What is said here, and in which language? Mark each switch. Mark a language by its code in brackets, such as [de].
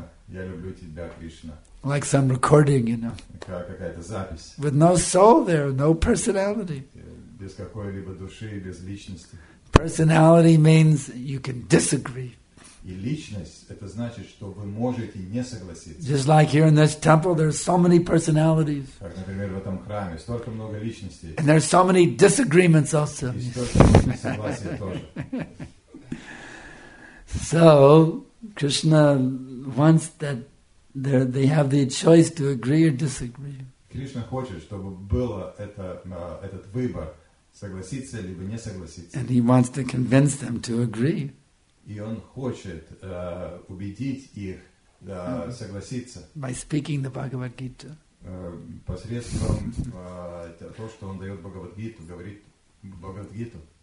[ru] Я люблю тебя, Кришна. [en] Like some recording, you know. [ru] Какая-то запись. [en] With no soul there, no personality. [ru] Без какой-либо души, без личности. [en] Personality means you can disagree. [ru] И личность, это значит, что вы можете не согласиться. [en] Just like here in this temple, there are so many personalities. [ru] Как, например, в этом храме, столько много личностей. [en] And there are so many disagreements also. [ru] И столько несогласий тоже. [en] So, Krishna wants that they have the choice to agree or disagree. [ru] Кришна хочет, чтобы было этот выбор, согласиться либо не согласиться. [en] And he wants to convince them to agree. [ru] И он хочет убедить их согласиться. [en] By speaking the Bhagavad Gita. [ru] Посредством того, что он дает Бхагавад Гиту, говорит Бхагавад Гиту.